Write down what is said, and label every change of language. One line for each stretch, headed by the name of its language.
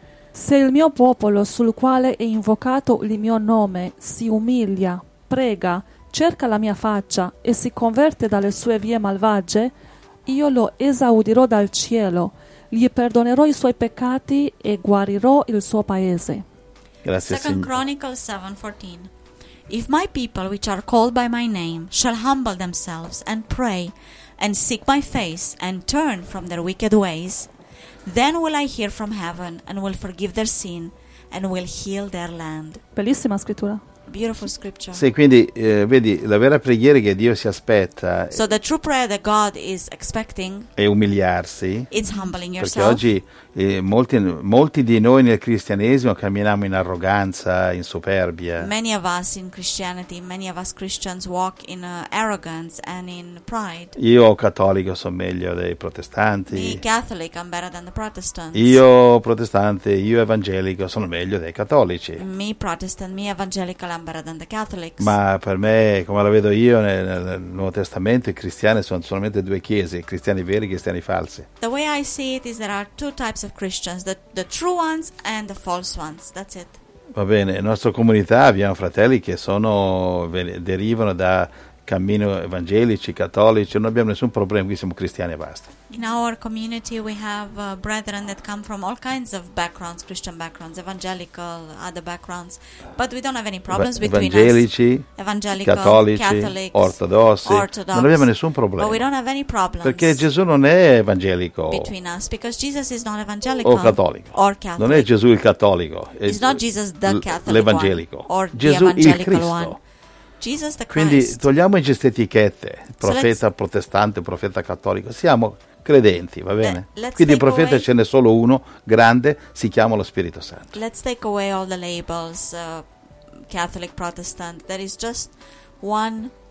Italian: Se il mio popolo sul quale è invocato il mio nome si umilia, prega, cerca la mia faccia e si converte dalle sue vie malvagie, io lo esaudirò dal cielo, gli perdonerò i suoi peccati e guarirò il suo paese. Grazie,
English: Second
Italian: Signore.
English: Chronicles 7:14. If my people, which are called by my name, shall humble themselves and pray and seek my face and turn from their wicked ways, then will I hear from heaven and will forgive their sin and will heal their land.
Italian: Bellissima scrittura.
English: Beautiful scripture.
Italian: Sì, quindi vedi, la vera preghiera che Dio si aspetta.
English: So the true prayer that God is expecting.
Italian: È umiliarsi.
English: It's humbling yourself.
Italian: Perché oggi molti di noi nel cristianesimo camminiamo in arroganza, in superbia.
English: Many of us in Christianity, many of us Christians walk in arrogance and in pride.
Italian: Io cattolico sono meglio dei protestanti.
English: The Catholic, I'm better than the Protestants.
Italian: Io protestante, io evangelico sono meglio dei cattolici.
English: Me Protestant, me evangelical, I'm better than the Catholics.
Italian: Ma per me, come la vedo io nel Nuovo Testamento, i cristiani sono solamente due chiese, cristiani veri e cristiani falsi.
English: The way I see it is there are two types of Christians, the true ones and the false ones. That's it.
Italian: Va bene, in nostra comunità abbiamo fratelli che derivano da cammino evangelici, cattolici, non abbiamo nessun problema, qui siamo cristiani e basta.
English: In our community we have brethren that come from all kinds of backgrounds, Christian backgrounds, evangelical, other backgrounds, but we don't have any problems between
Italian: evangelici,
English: us. Evangelical,
Italian: cattolici,
English: Catholics,
Italian: ortodossi, non abbiamo nessun problema.
English: But we don't have any problems.
Italian: Perché Gesù non è evangelico.
English: Between us, because Jesus is not evangelical.
Italian: O cattolico.
English: Or Catholic.
Italian: Non è Gesù il cattolico.
English: It's not Jesus the Catholic.
Italian: L'evangelico.
English: One, or
Italian: Gesù
English: the evangelical
Italian: il Cristo.
English: One. Jesus the Christ.
Italian: Quindi togliamo queste etichette, profeta protestante, profeta cattolico, siamo credenti, va bene? Quindi il profeta ce n'è solo uno, grande, si chiama lo Spirito Santo.
English: Let's take away all the labels, Catholic, Protestant, there is just one...